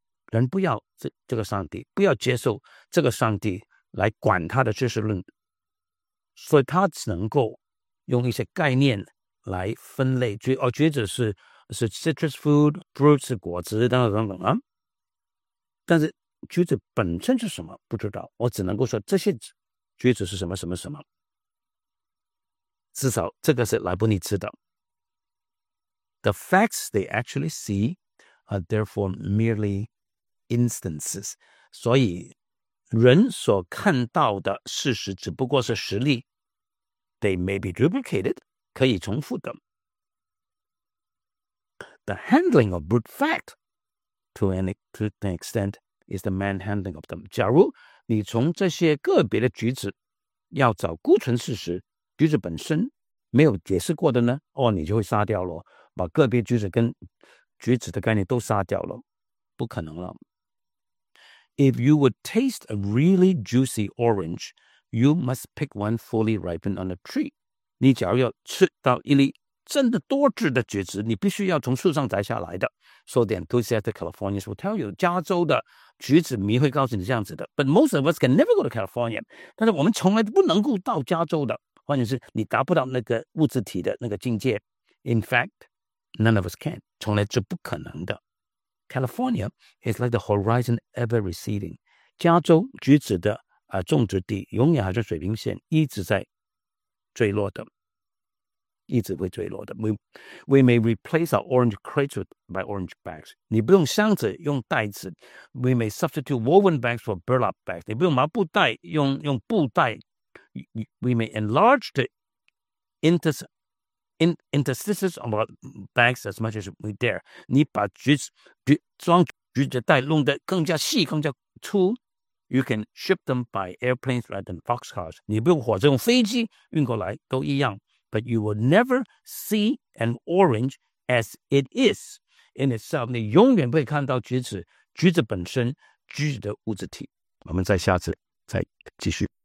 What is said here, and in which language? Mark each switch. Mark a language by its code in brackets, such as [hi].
[zh] 人不要 这个上帝，不要接受这个上帝来管他的知识论，所以他只能够用一些概念来分类，橘子 是 [en] citrus food, fruit [zh] 是果子等等等等啊。但是橘子本身是什么不知道，我只能够说这些橘子是什么什么什么，至少这个是莱布尼茨的。 [en] The facts they actually see are therefore merely instances. [zh] 所以人所看到的事实只不过是实例。 [en] They may be duplicated, [zh] 可以重复的。 [en] The handling of brute fact, to an extent, is the manhandling of them. [zh] 假如你从这些个别的橘子要找孤纯事实，橘子本身没有解释过的呢，哦，你就会杀掉了，把个别橘子跟橘子的概念都杀掉了，不可能了。 [en] If you would taste a really juicy orange, you must pick one fully ripened on a tree. [zh] 你假如要吃到一粒真的多汁的橘子，你必须要从树上摘下来的。 [en] So the enthusiastic Californians will tell you, [zh] 加州的橘子迷会告诉你这样子的。 [en] But most of us can never go to California. [zh] 但是我们从来不能够到加州的。换言之，你达不到那个物质体的那个境界。 [en] In fact, none of us can. [zh] 从来是不可能的。 [en] California is like the horizon ever receding. [zh] 加州橘子的种植地永远还是水平线，一直在坠落的，一直会坠落的。 [en] We may replace our orange crates by orange bags. [zh] 你不用箱子，用袋子。 [en] We may substitute woven bags for burlap bags. [zh] 你不用麻布袋，用布袋。 [en] We may enlarge the interstices of our bags as much as we dare. [zh] 你把装橘子袋弄得更加细，更加粗。 [en] You can ship them by airplanes rather than boxcars. [zh] 你不用火车，用飞机运过来都一样。 [en] But you will never see an orange as it is in itself. [zh] 你永远不会看到橘子本身橘子的物质体。我们在下次再继续。